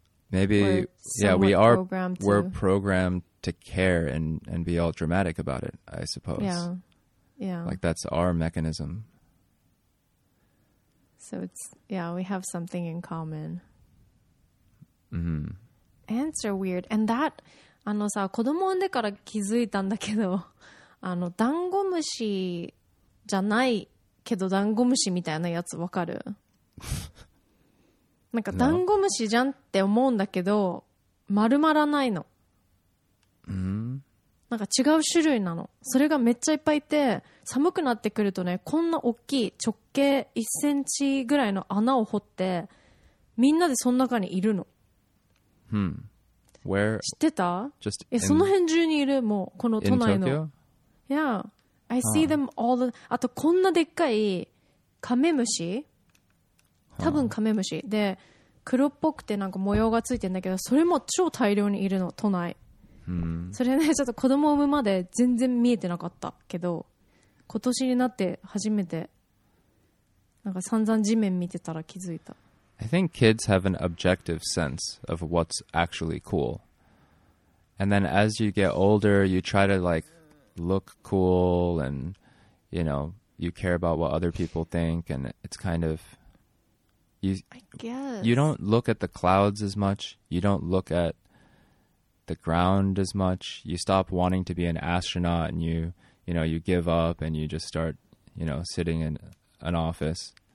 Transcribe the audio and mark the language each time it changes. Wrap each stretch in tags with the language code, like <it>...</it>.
<en>Maybe, we're programmed to care and be all dramatic about it, I suppose. Yeah. Like, that's our mechanism. So, it's, yeah, we have something in common. Mm-hmm. Ants are weird. And that,</en> <ja>あのさ、子供産んでから気づいたんだけど、あの、ダンゴムシじゃないけどダンゴムシみたいなやつわかる？なんかダンゴムシじゃんって思うんだけど丸まらないの。なんか違う種類なの。それがめっちゃいっぱいいて寒くなってくるとねこんな大きい直径1センチぐらいの穴を掘ってみんなでその中にいるの。</ja> <en>Where?</en> <ja>知ってた？え、その辺中にいるもうこの都内の。</ja> <en>In Tokyo? Yeah. I see them all the...</en> <ja>あとこんなでっかいカメムシ多分カメムシで黒っぽくてなんか模様がついてんだけどそれも超大量にいるの都内、それねちょっと子供産むまで全然見えてなかったけど今年になって初めてなんか散々地面見てたら気づいた。</ja> <en>I think kids have an objective sense of what's actually cool. And then as you get older, you try to likeLook cool, and you know, you care about what other people think, and it's kind of you, I guess, you don't look at the clouds as much, you don't look at the ground as much, you stop wanting to be an astronaut, and you know, you give up and you just start, you know, sitting in an office.</en>